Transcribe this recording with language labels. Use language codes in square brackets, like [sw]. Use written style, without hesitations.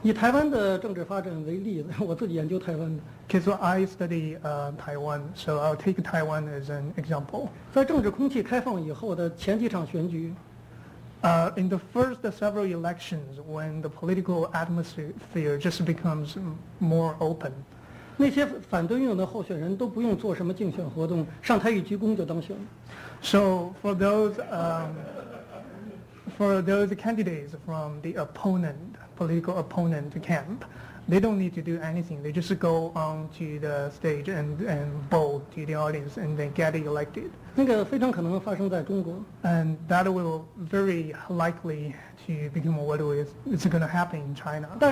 [en] Okay, so I study Taiwan, so I'll take Taiwan as an example. In the first several elections, when the political atmosphere just becomes more open, [zh] 那些反对运动的候选人都不用做什么竞选活动，上台一鞠躬就当选。 [en] So for those candidates from the opponent, political opponent camp, they don't need to do anything. They just go on to the stage and bow to the audience and then get elected. And that will very likely to become what is going to happen in China.